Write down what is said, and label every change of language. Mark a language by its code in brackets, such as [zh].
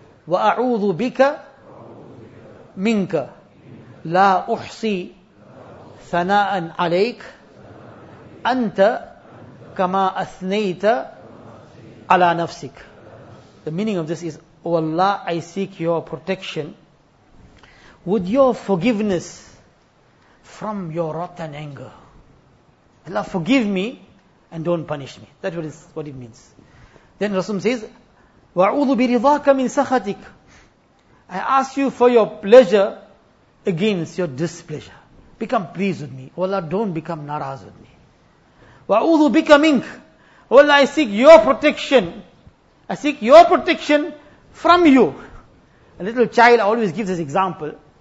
[ar] وأعوذ بك منك لا أحصي ثناء عليك أنت كما أثنيت على نفسك. [en] The meaning of this is, O Allah, I seek your protection with your forgiveness from your wrath and anger. Allah, forgive me and don't punish me. That's what it means. Then Rasulullah says, [ar] وَعُوذُ بِرِضَاكَ مِنْ سَخَتِكَ. [en] I ask you for your pleasure against your displeasure. Become pleased with me. O Allah, don't become naraz with me. [ar] وَعُوذُ بِكَ مِنْكَ. [en] O Allah, I seek your protection. I seek your protection from you. A little child always gives this example.